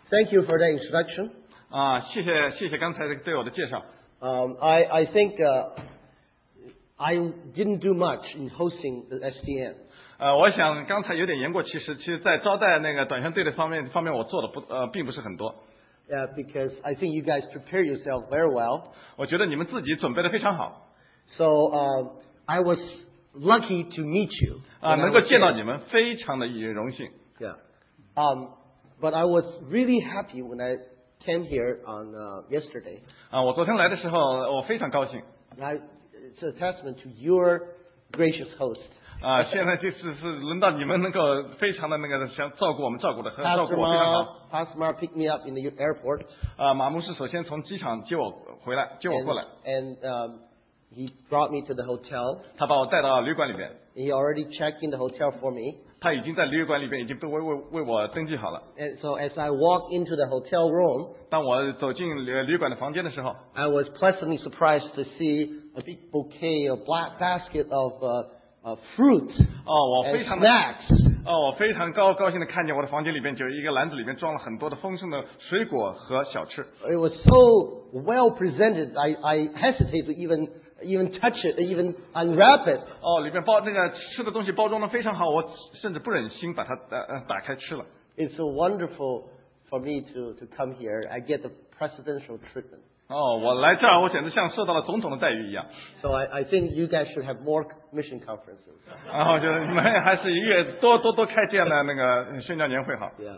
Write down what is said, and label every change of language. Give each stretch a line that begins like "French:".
English: Thank you for that introduction.
Chinese: 谢谢刚才对我的介绍。
English: I think I didn't do much in hosting the SDN.
Chinese: 我想刚才有点言过其实，其实在招待那个短宣队的方面我做的并不是很多。
English: Yeah, because I think you guys prepare yourself very well.
Chinese: 我觉得你们自己准备得非常好。
English: So, I was lucky to meet you.
Chinese: 能够见到你们非常的荣幸。 Yeah.
English: But I was really happy when I came here on yesterday.
Chinese: 我昨天来的时候我非常高兴。
English: It's a testament to your gracious host.
Chinese: 现在就是轮到你们能够非常的那个想照顾我们照顾的很照顾我非常好。
English: Pastor Mark picked me up in the airport.
Chinese: 马牧师首先从机场接我回来接我过来。
English: And he brought me to the hotel.
Chinese: 他把我带到旅馆里面。
English: He already checked in the hotel for me.
Chinese: 他已经在旅馆里面已经为我登记好了。
English: And so as I walked into the hotel room,
Chinese: 当我走进旅馆的房间的时候
English: ，I was pleasantly surprised to see a big bouquet, a black basket of fruit and snacks.
Chinese: 我非常高兴的看见我的房间里面就一个篮子里面装了很多的丰盛的水果和小吃。
English: It was so well presented. I hesitate to even touch it, even unwrap it.
Chinese: 里面包那个吃的东西包装的非常好，我甚至不忍心把它打开吃了。
English: It's so wonderful for me to come here. I get the presidential treatment.
Chinese: 我来这儿，我简直像受到了总统的待遇一样。
English: So I think you guys should have more mission conferences.
Chinese: 我觉得你们还是越多开这样的那个宣教年会好。